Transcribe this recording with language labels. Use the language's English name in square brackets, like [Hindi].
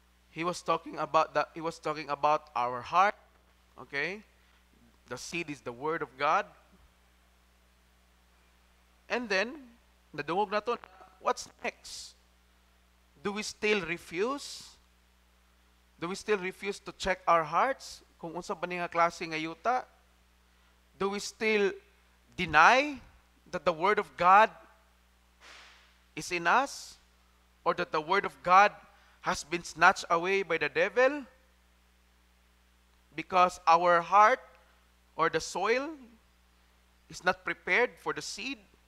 [English] He was talking about our heart, okay? The seed is the word of God. And then, [Cebuano] nadungog na to, [English] what's next? Do we still refuse? Do we still refuse to check our hearts? [Cebuano] Kung unsa ba ninyo klase nga yuta? [English] Do we still deny that the Word of God is in us? Or that the Word of God has been snatched away by the devil? Because our heart or the soil is not prepared for the seed?